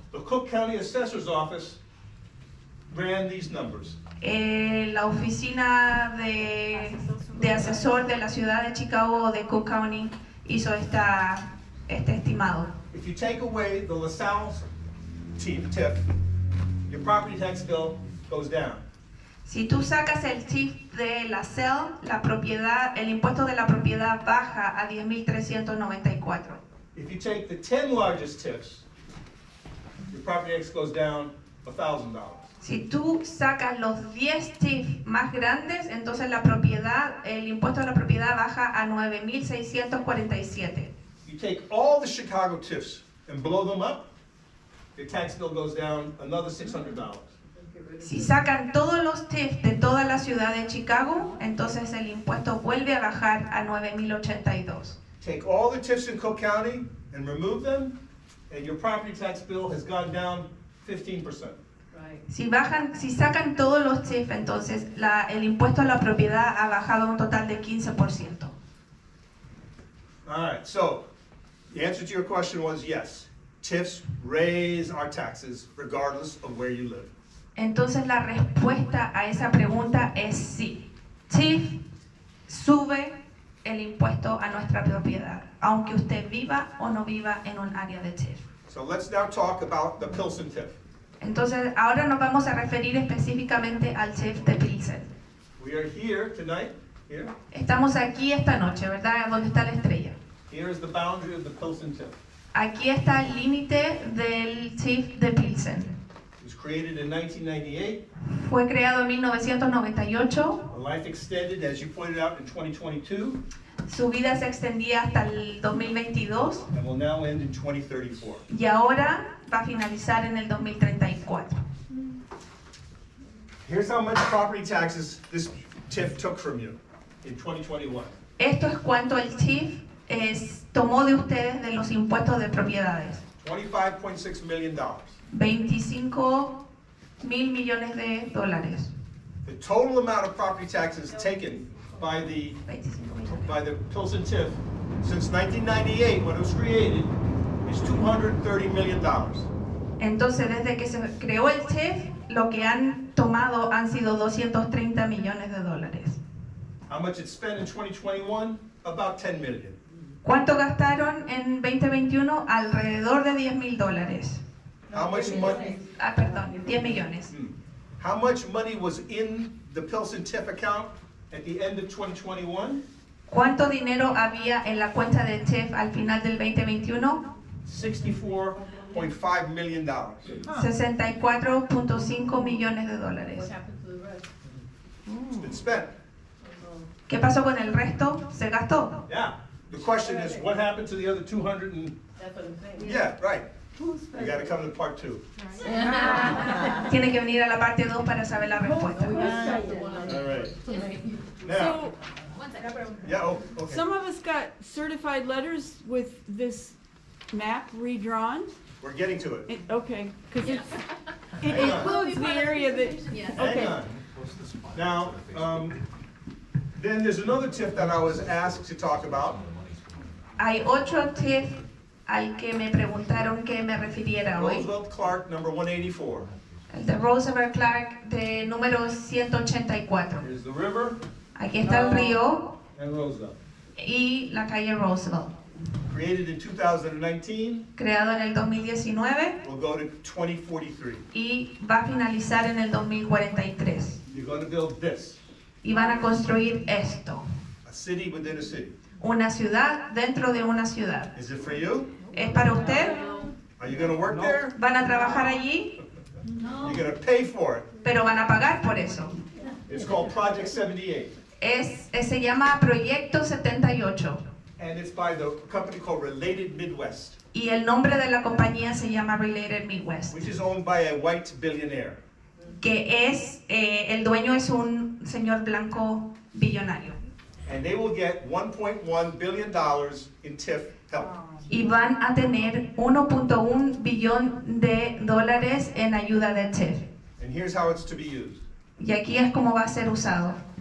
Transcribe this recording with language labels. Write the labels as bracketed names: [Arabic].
[English] The Cook County Assessor's Office ran these numbers. [Spanish] La oficina de asesor de la ciudad de Chicago, de Cook County, hizo este estimado. [English] If you take away the LaSalle TIF, your property tax bill goes down. [Spanish] Si tú sacas el TIF de LaSalle, la propiedad, el impuesto de la propiedad baja a 10,394. [English] If you take the 10 largest TIFs, your property tax goes down $1,000. [Spanish] Si tú sacas los 10 TIF más grandes, entonces la propiedad, el impuesto a la propiedad baja a 9,647. [English] You take all the Chicago TIFs and blow them up, your tax bill goes down another $600. [Spanish] Si sacan todos los TIF de toda la ciudad de Chicago, entonces el impuesto vuelve a bajar a 9,082. [English] Take all the TIFs in Cook County and remove them, and your property tax bill has gone down 15%. [Spanish] Si sacan todos los TIF, entonces el impuesto a la propiedad ha bajado un total de 15%. [English] All right, so the answer to your question was yes. TIFs raise our taxes regardless of where you live. [Spanish] Entonces la respuesta a esa pregunta es sí. TIF sube el impuesto a nuestra propiedad, aunque usted viva o no viva en un área de TIF. [English] So let's now talk about the Pilsen TIF. [Spanish] Entonces, ahora nos vamos a referir específicamente al TIF de Pilsen. [English] We are here tonight, here. [Spanish] Estamos aquí esta noche, ¿verdad? ¿Dónde está la estrella? [English] Here is the boundary of the Pilsen TIF. [Spanish] Aquí está el límite del TIF de Pilsen. [English] It was created in 1998. [Spanish] Fue creado en 1998. [English] A life extended, as you pointed out, in 2022. [Spanish] Su vida se extendía hasta el 2022. [English] And will now end in 2034. [Spanish] Y ahora va a finalizar en el 2034. [English] Here's how much property taxes this TIF took from you in 2021. [Spanish] Esto es cuánto el TIF tomó de ustedes de los impuestos de propiedades. [English] $25.6 million. [Spanish] 25 mil millones de dólares. [English] The total amount of property taxes taken by the Pilsen TIF since 1998, when it was created, is $230 million. [Spanish] Entonces, desde que se creó el TIF, lo que han tomado han sido 230 millones de dólares. [English] How much it spent in 2021? About 10 million. [Spanish] ¿Cuánto gastaron en 2021? Alrededor de 10 mil dólares. [English] How much money? [Spanish] Perdón, 10 millones. [English] How much money was in the Pilsen TIF account at the end of 2021? [Spanish] ¿Cuánto dinero había en la cuenta de TIF al final del 2021? [English] $64.5 million. Huh. [Spanish] 64.5 millones de dólares. [English] It's been spent. [Spanish] ¿Qué pasó con el resto? ¿Se gastó? [English] Yeah. The question is, what happened to the other 200 and... Yeah, right. You got to come to part two. [Spanish] Tiene que venir a la parte 2 para saber la respuesta. [English] All right. Now, so, some of us got certified letters with this map redrawn. We're getting to it. Because it includes the area that. Yes. Hang okay. on. Now, then there's another TIF that I was asked to talk about. [Spanish] Hay otro TIF al que me preguntaron que me refiriera hoy. [English] Roosevelt Clark, number 184. [Spanish] El de Roosevelt Clark, de número 184. [English] Here's the river. [Spanish] Aquí está el río [English] and Roosevelt. [Spanish] Y la calle Roosevelt. [English] Created in 2019. [Spanish] Creado en el 2019. [English] We'll go to 2043. [Spanish] Y va a finalizar en el 2043. [English] You're going to build this. [Spanish] Y van a construir esto. [English] A city within a city. [Spanish] Una ciudad dentro de una ciudad. [English] Is it for you? [Spanish] ¿Es para usted? [English] Are you going to work there? [Spanish] ¿Van a trabajar allí? [English] No. You're going to pay for it. [Spanish] Pero van a pagar por eso. [English] It's called Project 78. [Spanish] Se llama Proyecto 78. [English] And it's by the company called Related Midwest. [Spanish] Y el nombre de la compañía se llama Related Midwest. [English] Which is owned by a white billionaire. [Spanish] Que es, el dueño es un señor blanco billonario. [English] And they will get $1.1 billion in TIF help. [Spanish] Y van a tener 1.1 billón de dólares en ayuda de TIF. [English] And here's how it's to be used. [Spanish] Y aquí es como va a ser usado.